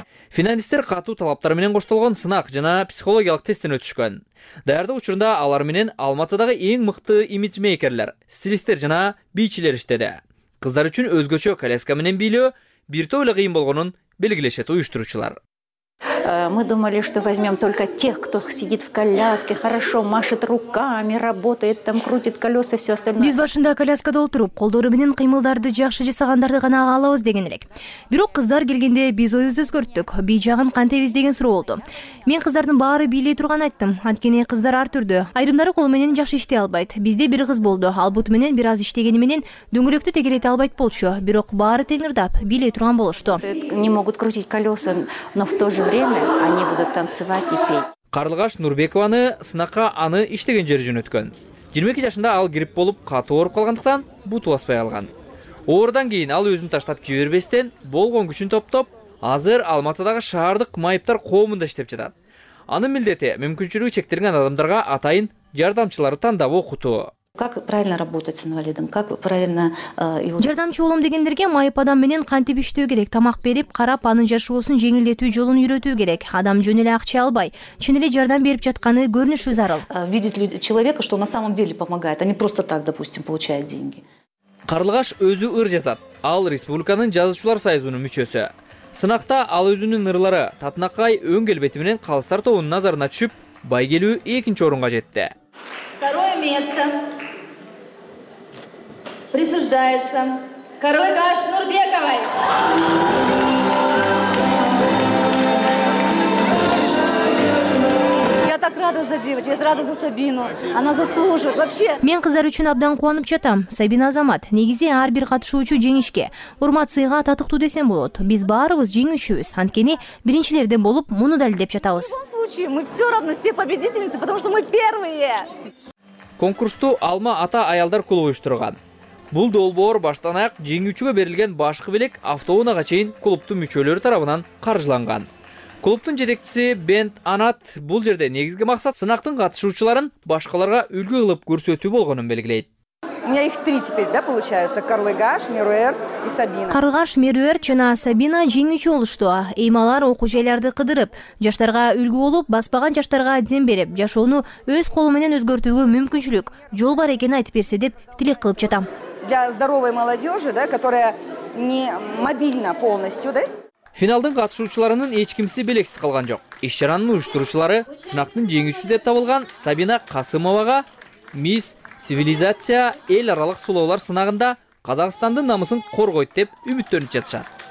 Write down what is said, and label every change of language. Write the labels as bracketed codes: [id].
[ky] Финалисттер катуу талаптар менен коштолгон сынак жана психологиялык тесттен өтүшкөн. Даярдык учурунда алар менен Алматыдагы эң мыкты имиджмейкерлер, стилисттер жана бийчилер иштеди. Кыздар үчүн өзгөчө коляска менен бийлөө бир топ эле кыйын болгонун белгилешет уюштуруучулар. [ru] Мы думали, что возьмем только тех, кто сидит в коляске, хорошо машет руками, работает там, крутит колеса, все остальное. [ky] Биз башында коляскада отуруп, колдору менен кыймылдарды жакшы жасагандарды гана алабыз деген элек. Бирок кыздар келгенде биз оюбузду өзгөрттүк, бий жагын кантебиз деген суроо болду. Мен кыздардын баары бийлей турган айттым, анткени кыздар ар түрдүү. Айрымдары кол менен жакшы иштей албайт. Бизде бир кыз болду, ал бут менен бир аз иштегени менен дөңгөлөктү тегерете албайт болчу. Бирок баары теңирдап, бийлей турган болушту. [ru] Не могут крутить колеса, но в то же время они будут танцевать и петь. [ky] Карлыгаш Нурбекованы сынакка аны иштеген жери жөнөткөн. 22 жашында ал грипп болуп катуу ооруп калгандыктан буту баспай алган. Оордан кийин ал өзүн таштап жибербестен болгон күчүн топтоп, азыр Алматыдагы шаардык майыптар коомунда иштеп жатат. Анын милдети мүмкүнчүлүгү чектелген адамдарга атайын жардамчылары тандап окутуу. [ru] Как правильно работать с инвалидом? Как правильно его [ky] жардамчы болом дегендерге майып адам менен кантип иштөө керек? Тамак берип, карап, анын жашоосун жеңилдетүү жолун үйрөтүү керек. Адам жөн эле акча албай, чын эле жардам берип жатканы көрүнүшү зарыл. [ru] Видит люди человека, что на самом деле помогает, а не просто так, допустим, получает деньги. [ky] Карлыгаш өзү ыр жазат. Ал республиканын жазуучулар союзунун мүчөсү. Сынакта ал өзүнүн ырлары татынакай өң келбети менен калыстар тобунун назарына түшүп, байгелүү 2-нче орунга жетти. [ru] Второе место присуждается Карлыгаш Нурбековой. [ky] Мен кыздар үчүн абдан кубанып жатам. Сабина Азамат, негизи ар бир катышуучу жеңишке, урмат сыйга татыктуу десем болот. Биз баарыбыз жеңүүчүбүз, анткени биринчилерден болуп муну далилдеп жатабыз. [ru] Мы все равно все победительницы, потому что мы первые. [ky] Конкурсту Алма Ата аялдар клубу уюштурган. Бул долбоор баштан аяк жеңүүчүгө берилген башкы белек автоунага чейин клубтун мүчөлөрү тарабынан каржыланган. Клубтун жетекчиси Бент Анат бул жерде негизги максат сынактын катышуучуларын башкаларга үлгү кылып көрсөтүү болгонун белгилейт. [ru] У меня их три теперь, да, получается? Карлыгаш, Мируэр и Сабина. [ky] Карлыгаш, Мируэр жана Сабина жеңүүчү болушту. Эми алар окуучуларды кыдырып, жаштарга үлгү болуп, баспаган жаштарга дем берип, жашоону өз колу менен өзгөртүүгө мүмкүнчүлүк, жол бар экенин айтып берсе деп тилек кылып жатам. [ru] Для здоровой молодежи, да, которая не мобильна полностью, да? [ky] Финалдын катышуучуларынын эч кимиси белексиз калган жок. Иш чаранын уюштуруучулары сынактын жеңүүчүсү деп табылган Сабина Касымовага мисс цивилизация, эл аралык сулоолор сынагында Казакстандын намысын коргойт деп үмүттөнүп жатышат.